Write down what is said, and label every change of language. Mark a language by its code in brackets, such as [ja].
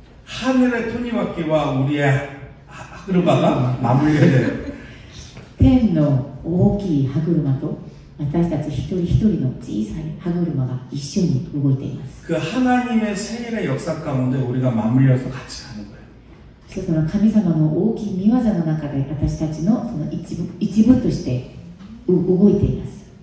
[ko] 하늘의 톱니바퀴와 우리의 歯車가 맞물려야 돼요. [ja] 天の大きい歯車と私たち一人一人の小さい歯車が一緒に動いています。 [ko] 그 하나님의 생일의 역사 가운데 우리가 맞물려서 같이 가는 거예요. [ja] 神様の大きい御業の中で私たちのその一部として動いています。